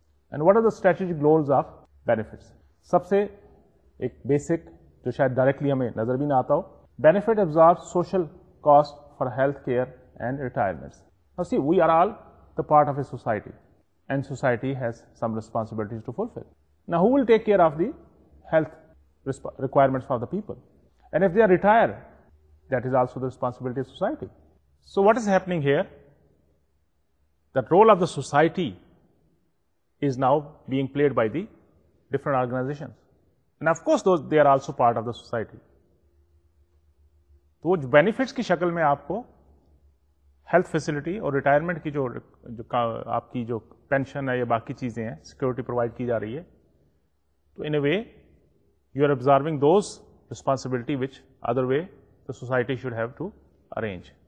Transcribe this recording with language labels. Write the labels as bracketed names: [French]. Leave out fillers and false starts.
[English] And what are the strategic goals of benefits? [Urdu] سب سے ایک basic جو شاید ڈائریکٹلی ہمیں نظر بھی نہ آتا ہو, [English] Benefit absorb social cost for health care and retirements. Now see, we are all the part of a society and society has some responsibilities to fulfill. Now who will take care of the health requirements for the people? And if they are retired, that is also the responsibility of society. So what is happening here? The role of the society is now being played by the different organizations. And of course, those they are also part of the society. [Urdu] تو وہ benefits کی شکل میں آپ کو health facility اور retirement کی جو آپ کی جو پینشن ہے یا باقی چیزیں ہیں سیکیورٹی پرووائڈ کی جا رہی ہے, تو [English] In a way you are absorbing those responsibility which other way the society should have to arrange.